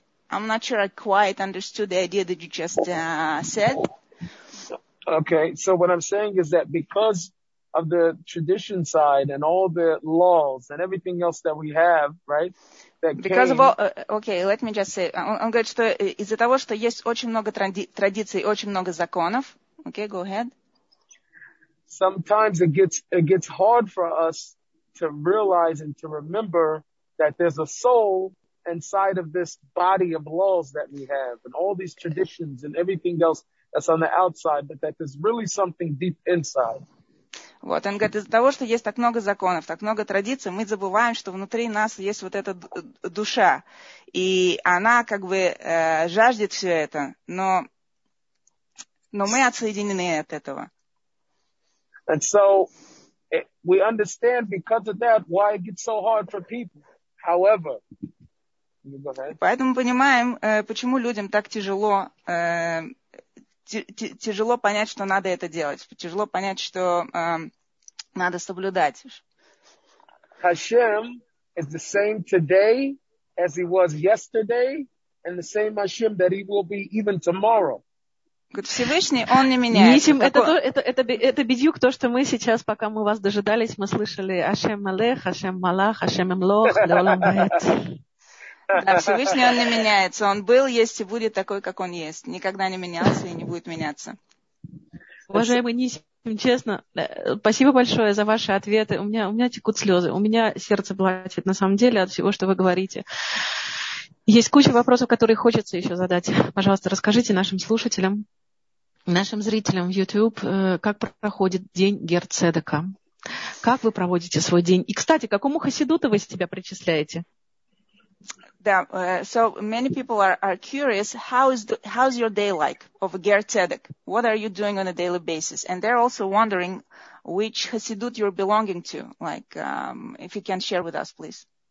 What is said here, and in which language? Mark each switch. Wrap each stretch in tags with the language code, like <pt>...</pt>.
<en>I'm not sure I quite understood the idea that you just said. Okay, so what I'm saying is that because of the tradition side and all the laws and everything else that we have, right? Let me just say.</en> <ru>Он говорит, что из-за того, что есть очень много традиций, очень много законов.</ru> <en>Okay, go ahead. Sometimes it gets hard for us to realize and to remember that there's a soul inside of this body of laws that we have and all these traditions and everything else that's on the outside, but that there's really something deep inside.</en> <ru>Вот, он говорит, из-за того, что есть так много законов, так много традиций, мы забываем, что внутри нас есть вот эта душа. И она как бы жаждет все это, но мы отсоединены от этого.</ru> <en>And so we understand because of that why it gets so hard for people. However,</en> <ru>поэтому понимаем, почему людям так тяжело, тяжело понять, что надо это делать, тяжело понять, что надо соблюдать.</ru> <en>Hashem is the same today as he was yesterday, and the same Hashem that he will be even tomorrow.</en> <ru>Говорит, Всевышний, он не меняется. Нисим, это бедюк, то, что мы сейчас, пока мы вас дожидались, мы слышали</ru> <he>Ашем Малех, Ашем Малах, Ашем Эмлох, Леолам Ваэт.</he> <ru>Да, Всевышний он не меняется. Он был, есть и будет такой, как он есть. Никогда не менялся и не будет меняться. Уважаемый Нисим, честно, спасибо большое за ваши ответы. У меня текут слезы, у меня сердце плачет на самом деле от всего, что вы говорите. Есть куча вопросов, которые хочется еще задать. Пожалуйста, расскажите нашим слушателям, нашим зрителям в YouTube, как проходит день Гер Цедека. Как вы проводите свой день? И, кстати, к какому хасидуту вы себя причисляете?</ru> <en>Да, so many people are curious how's your day like of Ger Tzedek? What are you doing on a daily basis? And they're also wondering which Hasidut you're belonging to. Like, if you can share with us, please.</en>